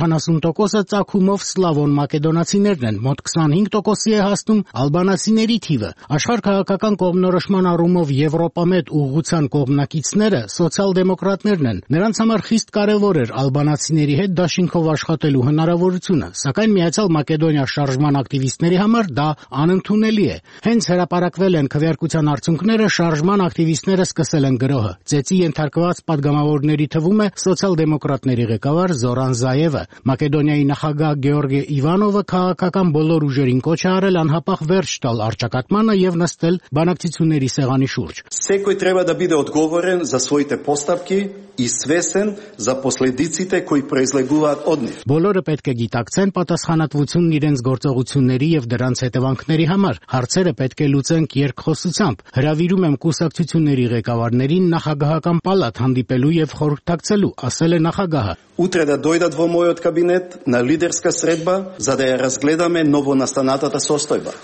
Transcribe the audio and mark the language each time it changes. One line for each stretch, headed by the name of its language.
Armenian: 70%-ը, ծագումով սլավոն մակեդոնացիներն են, մոտ 25%-ի է հասնում ալբանացիների թիվը։ Աշխարհ քաղաքական կողմնորոշման առումով Եվրոպամետ ուղղության կողմնակիցները սոցիալ-դեմոկրատներն են։ Նրանց համար խիստ կարևոր էր ալբանացիների հետ դաշինքով աշխատելու հնարավորությունը, սակայն Միացյալ Մակեդոնիա շարժման ակտիվիստների համար դա անընդունելի է։ Հենց հրապարակվել են քվեարկության արդյունքները, շարժման ակտիվիստները սկսել են գրոհը, ծեցի են ենթարկված պատգամավորների թվում է սոցիալ-դեմոկրատների ղեկավար Զորան Զայևը։ Մակեդոնիայի նախագահ Գեորգե Իվանովը քաղաքական բոլոր ուժերին կոչ է արել անհապաղ վերջ տալ արճակատմանը և նստել բանակցությունների սեղանի շուրջ։
Macedonian: Всекой треба да биде одговорен за своите поставки и свесен за последиците кои произлегуваат од нив.
Armenian: Բոլորը պետք է գիտակցեն պատասխանատվությունն իրենց գործողությունների և դրանց հետևանքների համար։ Հարցերը պետք է լուծենք երկխոսությամբ։ Հրավիրում եմ կուսակցությունների ղեկավարներին նախագահական պալատ հանդիպելու և խորհրդակցելու, ասել է նախագահը։
Macedonian: Утре да дојдат во мојот кабинет на лидерска средба за да ја разгледаме новонастанатата состојба.